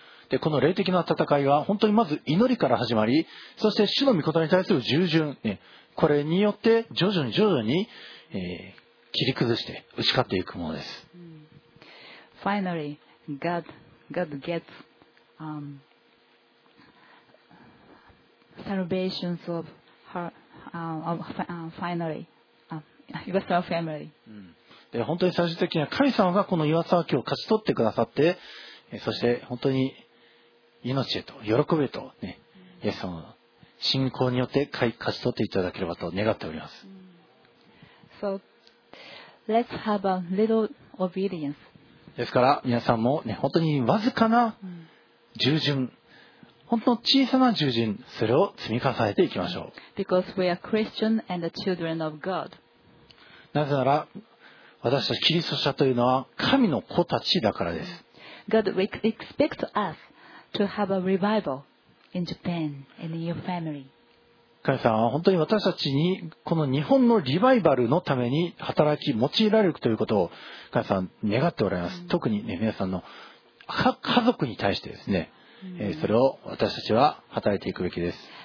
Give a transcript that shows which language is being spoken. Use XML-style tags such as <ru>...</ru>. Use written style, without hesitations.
<ja>でこの霊的な戦いは本当にまず祈りから始まり、そして主の御言葉に対する従順、これによって徐々に切り崩して打ち勝っていくものです。</ja> <en>Finally, God gets、salvation of her, finally,岩沢 family.</en> <ja>で本当に最終的には神様がこの岩沢家を勝ち取ってくださって、そして本当に命へと喜びへとね、イエス様の信仰によって勝ち取っていただければと願っております。</ja> <en>So, let's have a little obedience.</en> <ja>ですから皆さんも、ね、本当にわずかな従順、本当の小さな従順、それを積み重ねていきましょう。</ja> <en>Because we are Christian and the children of God.</en> <ja>なぜなら私たちキリスト者というのは神の子たちだからです。</ja> <en>God expects us to have a revival. In Japan, in your family.</en> <ja>神様は本当に私たちにこの日本のリバイバルのために働き用いられるということを神様は願っておられます。特に、ね、皆さんの家族に対してですね、それを私たちは働いていくべきです。</ja>